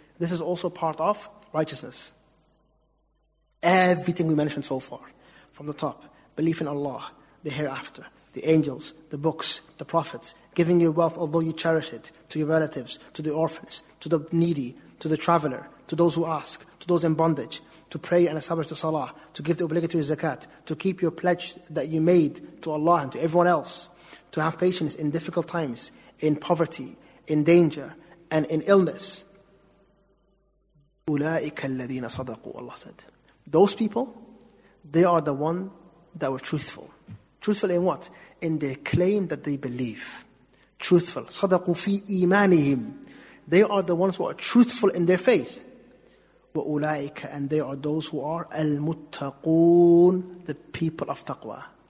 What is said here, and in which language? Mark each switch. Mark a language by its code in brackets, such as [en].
[en] This is also part of righteousness. Everything we mentioned so far, from the top, belief in Allah, the hereafter, the angels, the books, the prophets, giving your wealth although you cherish it, to your relatives, to the orphans, to the needy, to the traveler, to those who ask, to those in bondage, to pray and establish the salah, to give the obligatory zakat, to keep your pledge that you made to Allah and to everyone else, to have patience in difficult times, in poverty, in danger, and in illness. [ar] أولئك الذين صدقوا, [en] Allah said. Those people, they are the one that were truthful. Truthful in what? In their claim that they believe. Truthful. [ar] صدقوا في إيمانهم. [en] They are the ones who are truthful in their faith. وأولئك, and they are those who are المتقون, the people of taqwa.